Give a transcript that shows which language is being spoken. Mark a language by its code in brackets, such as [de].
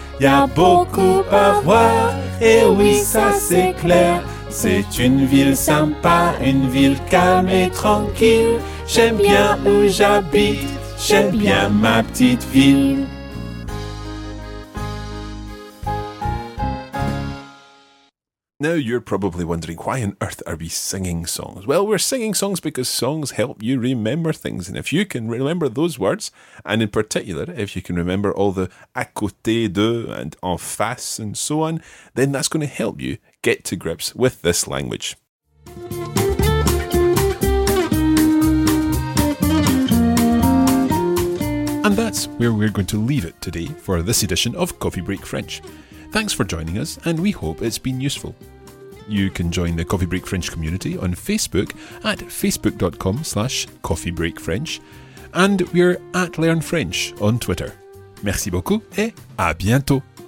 [fr] Il y a beaucoup à voir, et oui, ça c'est clair. C'est une ville sympa, une ville calme et tranquille. J'aime bien où j'habite, j'aime bien ma petite ville. [en] Now you're probably wondering, why on earth are we singing songs? Well, we're singing songs because songs help you remember things. And if you can remember those words, and in particular, if you can remember all the à côté de and en face and so on, then that's going to help you get to grips with this language. And that's where we're going to leave it today for this edition of Coffee Break French. Thanks for joining us, and we hope it's been useful. You can join the Coffee Break French community on Facebook at facebook.com/coffeebreakfrench, and we're at Learn French on Twitter. [fr] Merci beaucoup et à bientôt!